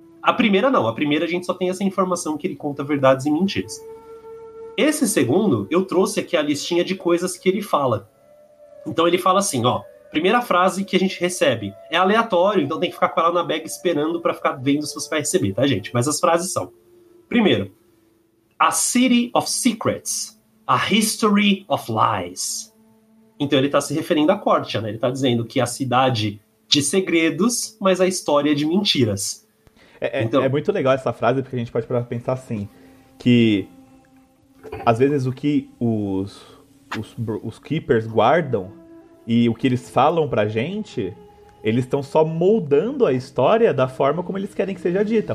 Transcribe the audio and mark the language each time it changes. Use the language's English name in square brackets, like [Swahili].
[Portuguese] A primeira não, a primeira a gente só tem essa informação que ele conta verdades e mentiras. Esse segundo, eu trouxe aqui a listinha de coisas que ele fala. Então ele fala assim, ó, primeira frase que a gente recebe. É aleatório, então tem que ficar com ela na bag esperando pra ficar vendo se você vai receber, tá, gente? Mas as frases são. [English] Primeiro, a city of secrets, a history of lies. [Portuguese] Então ele tá se referindo à Cortia, né? Ele tá dizendo que é a cidade de segredos, mas a história de mentiras. É muito legal essa frase, porque a gente pode pensar assim, que... Às vezes o que os Keepers guardam e o que eles falam pra gente, eles estão só moldando a história da forma como eles querem que seja dita.